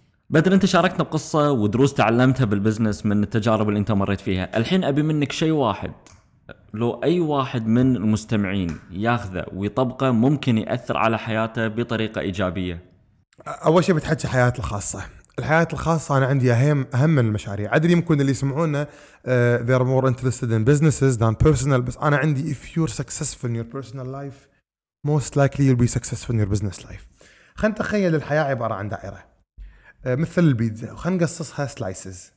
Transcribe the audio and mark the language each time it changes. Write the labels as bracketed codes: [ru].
[ar] بدر، أنت شاركتنا بقصة ودروس تعلمتها بالبزنس من التجارب اللي أنت مريت فيها. الحين أبي منك شيء واحد، لو أي واحد من المستمعين ياخذه ويطبقه ممكن يأثر على حياته بطريقة إيجابية. أول شيء بتحكي حياة الخاصة، الحياة الخاصة أنا عندي أهم من المشاريع. أدري ممكن اللي يسمعونا [en] they are more interested in businesses than personal، [ar] بس أنا عندي [en] if you're successful in your personal life most likely you'll be successful in your business life. [ar] خلينا نتخيل الحياة عبارة عن دائرة مثل البيتزا، وخلينا نقصصها slices.